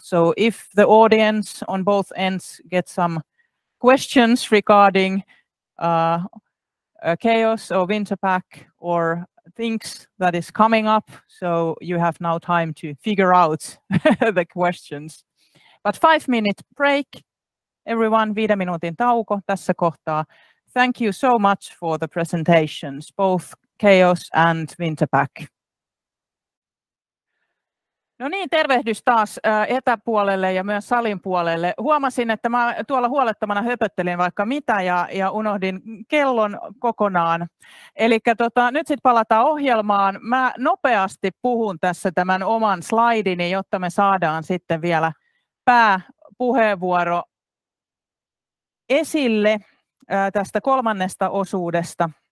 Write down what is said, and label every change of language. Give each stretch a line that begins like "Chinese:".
English: So if the audience on both ends get some questions regarding Chaos or Winterpack or things that is coming up, so you have now time to figure out the questions. But 5-minute break, everyone.
Finnish: 5 minuutin tauko tässä kohtaa.
English: Thank you so much for the presentations, both Chaos and Winterpack.
Finnish: No niin, tervehdys taas etäpuolelle ja myös salin puolelle. Huomasin, että mä tuolla huolettomana höpöttelin vaikka mitä ja unohdin kellon kokonaan. Elikkä nyt sitten palataan ohjelmaan. Mä nopeasti puhun tässä tämän oman slaidini, jotta me saadaan sitten vielä pääpuheenvuoro esille tästä kolmannesta osuudesta.